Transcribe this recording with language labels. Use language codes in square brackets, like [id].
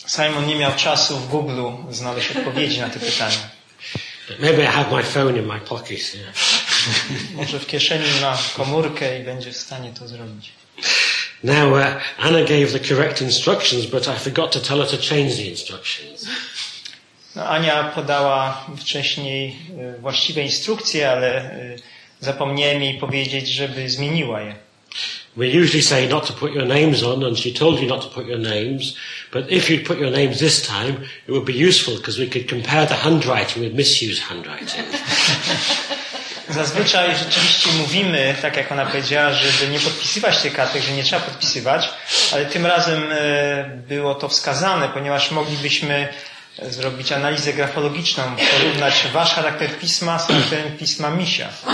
[pl] Simon nie miał czasu w Google znaleźć odpowiedzi na te pytania. [en] Maybe I have my phone in my pocket. Yeah. [pl] Może w kieszeni ma komórkę i będzie w stanie to zrobić. [en] Now Anna gave the correct instructions, but I forgot to tell her to change the instructions. [pl] No, Ania podała wcześniej właściwe instrukcje, ale zapomniałem jej powiedzieć, żeby zmieniła je. [en] We usually say not to put your names on, and she told you not to put your names. But if you'd put your names this time, it would be useful because we could compare the handwriting with Miss Hugh's handwriting. [pl] Zazwyczaj rzeczywiście mówimy, tak jak ona powiedziała, żeby nie podpisywać tych kartek, że nie trzeba podpisywać, ale tym razem było to wskazane, ponieważ moglibyśmy zrobić analizę grafologiczną, porównać wasz charakter pisma z charakterem pisma Misia.